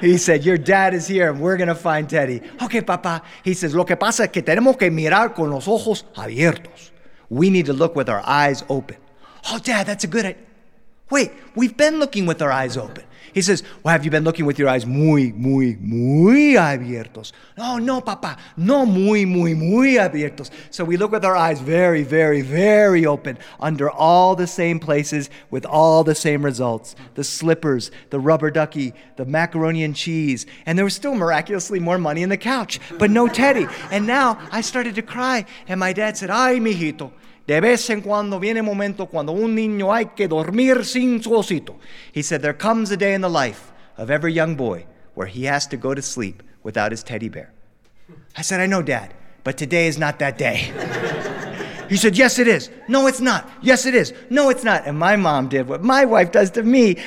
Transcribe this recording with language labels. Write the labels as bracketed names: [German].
[English] He said, your dad is here, and we're going to find Teddy. Okay, papá. He says, [Spanish] lo que pasa es que tenemos que mirar con los ojos abiertos. [English] We need to look with our eyes open. Oh, Dad, that's a good idea. Wait, we've been looking with our eyes open. He says, well, have you been looking with your eyes [Spanish] muy, muy, muy abiertos? Oh, no, papa, no muy, muy, muy abiertos. [English] So we look with our eyes very, very, very open under all the same places with all the same results. The slippers, the rubber ducky, the macaroni and cheese, and there was still miraculously more money in the couch, but no Teddy. And now I started to cry, and my dad said, ay, mijito. [Spanish] De vez en cuando viene momento cuando un niño hay que dormir sin su osito. [English] He said, there comes a day in the life of every young boy where he has to go to sleep without his teddy bear. I said, I know, Dad, but today is not that day. He said, yes, it is. No, it's not. Yes, it is. No, it's not. And my mom did what my wife does to me.